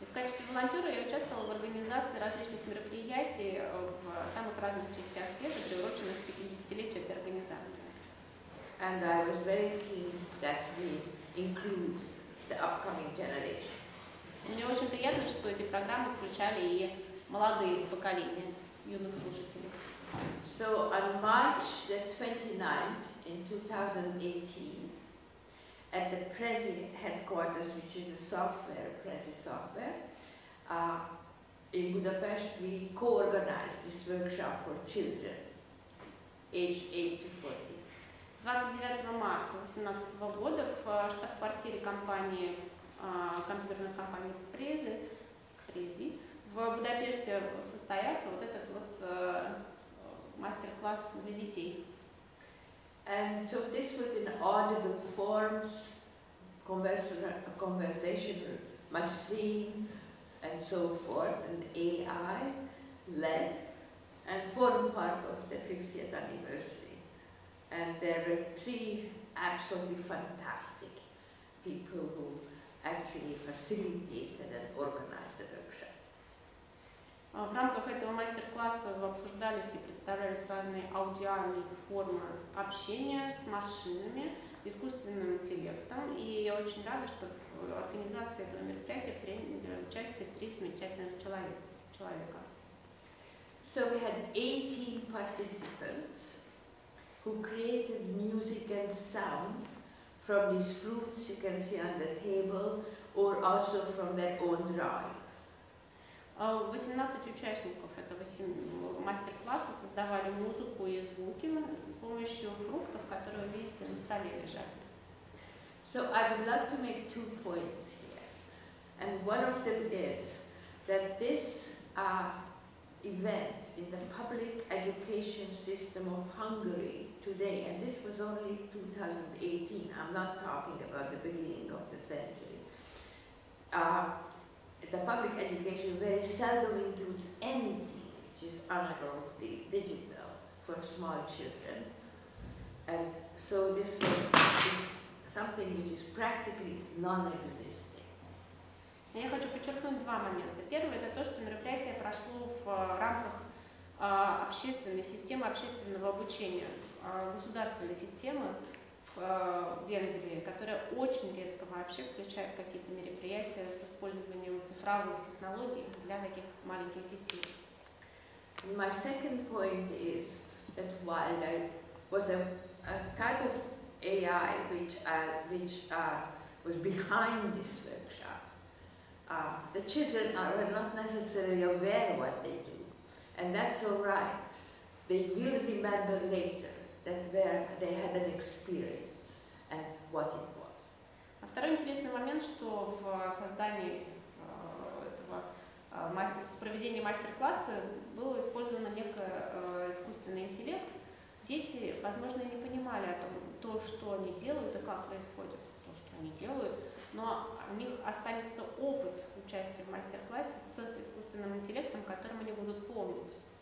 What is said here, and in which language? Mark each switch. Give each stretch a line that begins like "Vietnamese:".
Russian: И в качестве волонтера я участвовала в организации различных мероприятий в самых разных частях света, приуроченных к 50-летию этой организации.
English: And I was very keen that we include the upcoming generation.
Russian: Мне очень приятно, что эти программы включали и молодые поколения.
English: So on March the 29th in 2018, at the Prezi headquarters, which is a software, Prezi software, in Budapest, we co-organized this workshop for children aged 8 to 40.
Russian: 29 марта 2018 года в штаб-квартире компании, компьютерной компании Prezi, в Будапеште состоялся вот этот вот мастер-класс для детей.
English: And so this was in audible forms, conversational machine, and so forth, and AI led, and formed part of the 50th anniversary. And there were three absolutely fantastic people who actually facilitated and organized the workshop.
Russian: В рамках этого мастер-класса обсуждались и представлялись разные аудиальные формы общения с машинами, искусственным интеллектом. И я очень рада, что в организации этого мероприятия приняли участие три замечательных человека.
English: So we had 18 participants who created music and sound from these fruits you can see on the table or also from their own drawings.
Russian: 18 участников этого мастер-класса создавали музыку и звуки с помощью фруктов, которые вы видите на столе лежат.
English: So I would like to make two points here. And one of them is that this event in the public education system of Hungary today, and this was only 2018, I'm not talking about the beginning of the century, the public education very seldom includes anything which is analog, digital, for small children. And so this is something which is practically non-existing.
Russian: Я хочу подчеркнуть два момента. Первый – это то, что мероприятие прошло в рамках общественной системы общественного обучения, государственной системы в Венгрии, которая очень редко вообще включает какие-то мероприятия с использованием цифровых технологий для таких маленьких детей.
English: And my second point is that while there was a type of AI which was behind this workshop, the children were not necessarily aware what they do, and that's all right. They will remember later that they had an experience. And what it was.
Russian: А второй интересный момент, что в создании этого проведения мастер-класса был использован некий искусственный интеллект. Дети, возможно, не понимали о том, то, что они делают и как происходит то, что они делают, но у них останется опыт участия в мастер-классе с искусственным интеллектом, которым они будут помнить.